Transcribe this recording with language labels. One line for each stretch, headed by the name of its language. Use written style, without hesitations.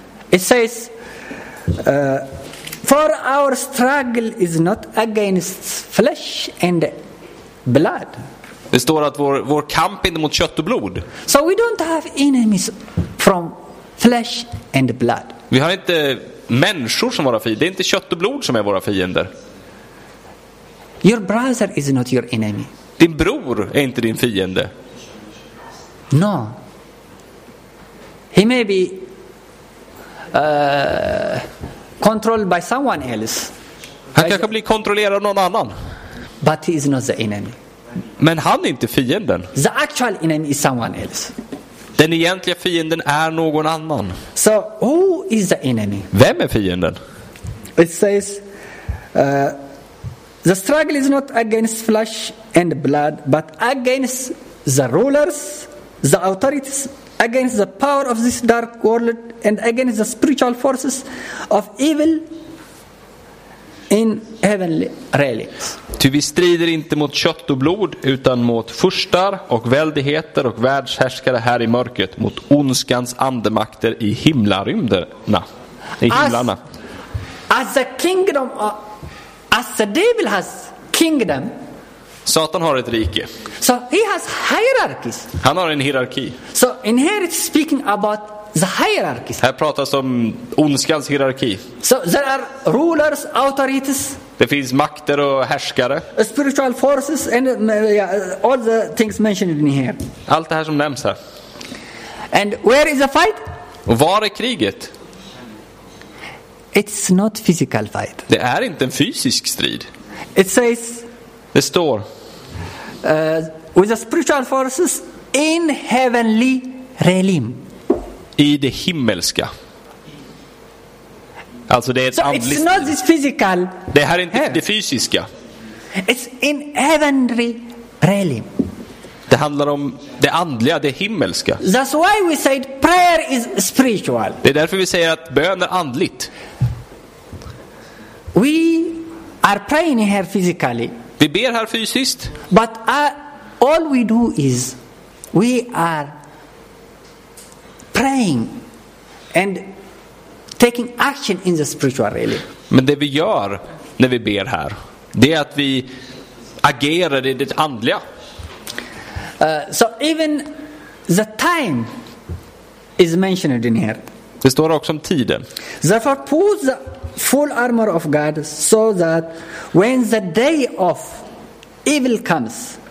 English: It says for our struggle is not against flesh and blood.
Swedish: Det står att vår kamp är inte mot kött och blod.
English: So we don't have enemies from flesh and blood.
Swedish: Vi har inte människor som våra fiender. Det är inte kött och blod som är våra fiender.
English: Your brother is not your enemy.
Swedish: Din bror är inte din fiende.
English: No. He may be controlled by someone else.
Swedish: Han kanske blir kontrollerad av någon annan.
English: But he is not the enemy.
Swedish: Men han är inte fienden.
English: The actual enemy is someone else.
Swedish: Den egentliga fienden är någon annan.
English: So who is the enemy?
Swedish: Vem är fienden?
English: It says the struggle is not against flesh and blood, but against the rulers, the authorities, against the power of this dark world, and against the spiritual forces of evil in heavenly realms.
Swedish: Ty vi strider inte mot kött och blod, utan mot furstar och väldigheter och världshärskare här i mörkret, mot ondskans andemakter i himlarymderna. I himlarna.
English: As the kingdom of as the devil has kingdom.
Swedish: Satan har ett rike.
English: So he has hierarchies.
Swedish: Han har en hierarki.
English: So in here it's speaking about the hierarchies.
Swedish: Här pratas om ondskans hierarki.
English: So there are rulers, authorities.
Swedish: Det finns makter och härskare.
English: Spiritual forces and all the things mentioned in here.
Swedish: Allt det här som nämns här.
English: And where is the fight?
Swedish: Och var är kriget?
English: It's not physical fight.
Swedish: Det är inte en fysisk strid.
English: It says.
Swedish: Det står.
English: With the spiritual forces in heavenly realm.
Swedish: I det himmelska. Alltså det är ett
English: so
Swedish: andligt.
English: It's not this physical.
Swedish: Det här är inte det fysiska.
English: It's in heavenly realm.
Swedish: Det handlar om det andliga, det himmelska.
English: That's why we said prayer is spiritual.
Swedish: Det är därför vi säger att bön är andligt.
English: We are praying here physically.
Swedish: Vi ber här fysiskt.
English: But all we do is we are praying and taking action in the spiritual realm.
Swedish: Men det vi gör när vi ber här, det är att vi agerar i det andliga.
English: So even the time is mentioned in here.
Swedish: Det står också om tiden.
English: Therefore put the full armor of God so that when the day of evil comes.